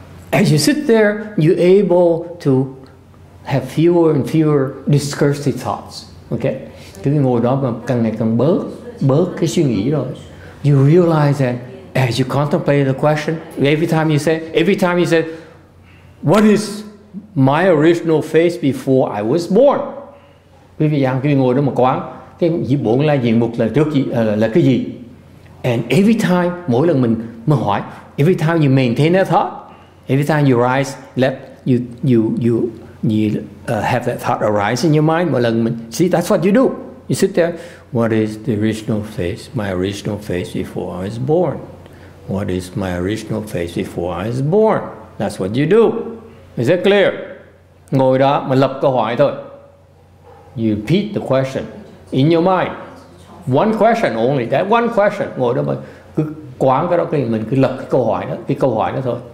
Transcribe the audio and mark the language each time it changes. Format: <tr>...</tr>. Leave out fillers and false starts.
<en>As you sit there, you're able to have fewer and fewer discursive thoughts. Okay?</en> <vi>Cứ ngồi đó mà càng ngày càng bớt, bớt cái suy nghĩ rồi.</vi> <en>You realize that as you contemplate the question, every time you say, what is my original face before I was born?</en> <vi>Quý vị đang ngồi đó mà quán cái bổn lai diện mục là trước gì là cái gì?</vi> <en>And every time,</en> <vi>mỗi lần mình mà hỏi,</vi> <en>every time you maintain that thought, every time you rise, let you have that thought arise in your mind.</en> <vi>Mỗi lần mình,</vi> <en>see, that's what you do. You sit there. What is the original face? My original face before I was born. What is my original face before I was born? That's what you do. Is that clear?</en> <vi>Ngồi đó mà lập câu hỏi thôi.</vi> <en>You repeat the question in your mind. One question only. That one question.</en> <vi>Ngồi đó mà cứ quán cái đó thì mình cứ lập cái câu hỏi đó thôi.</vi>